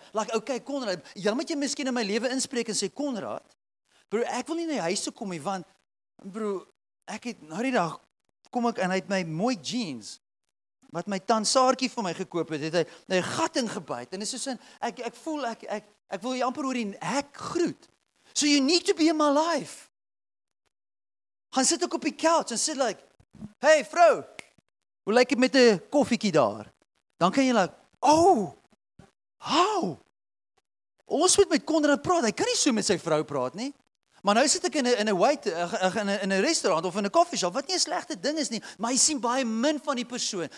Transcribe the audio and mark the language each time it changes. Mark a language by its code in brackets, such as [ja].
[af] Like, okay, Konrad, jy moet jy miskien in my lewe inspreek en sê Konrad, bro, ek wil nie na jou huis toe kom nie want bro, ek het nou die dag kom ek en hy het my mooi jeans wat my tansaartjie vir my gekoop het, het hy 'n gat ingebyt en is soos in, ek voel ek wil jy amper oor die hek groet. [en] So you need to be in my life. [af] Gaan sit ek op die couch en sê like, hey vrou, hoe lyk dit met 'n koffietjie daar? Dan kan jy like, oh, how? Ons moet met Konrad praat, hy kan nie so met sy vrou praat nie. Maar nou sit ek in 'n restaurant of in 'n koffieshop, wat nie 'n slegte ding is nie, maar jy sien baie min van die persoon.